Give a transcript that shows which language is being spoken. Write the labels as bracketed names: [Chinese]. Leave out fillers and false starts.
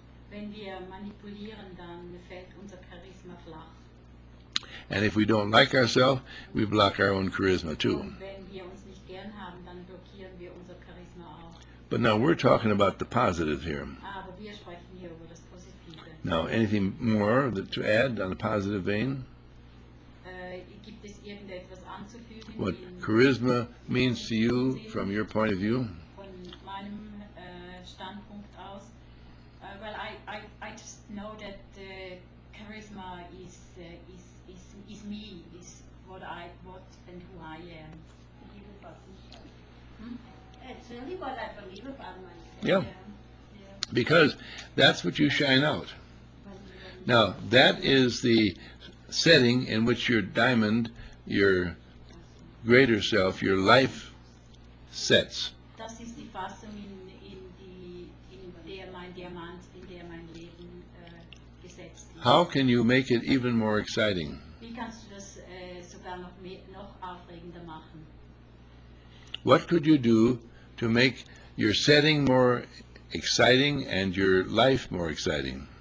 [German] Wenn wir manipulieren, dann fällt unser Charisma flach. [English] And if we don't like ourselves, we block our own charisma too. [German] Wenn wir uns nicht gern haben, dann blockieren wir unser Charisma auch. [English] But now we're talking about the positive here. [German] Aber wir sprechen hier über das Positive. [English] Now, anything more that to add on the positive vein? [German] Gibt es irgendetwas anzufügen? [English] What charisma means to you from your point of view? [German] Von meinem Standpunkt aus. [English] Well, I just know that charisma is me, is what and who I am. It's really what I believe about myself. Yeah. Because that's what you shine out. Now, that is the setting in which your diamond, your greater self, your life sets. [German] Das ist die Fassung in der mein Diamant, in der mein Leben gesetzt ist. [English] How can you make it even more exciting? [German] Wie kannst du das sogar noch aufregender machen? [English] What could you do to make your setting more exciting and your life more exciting?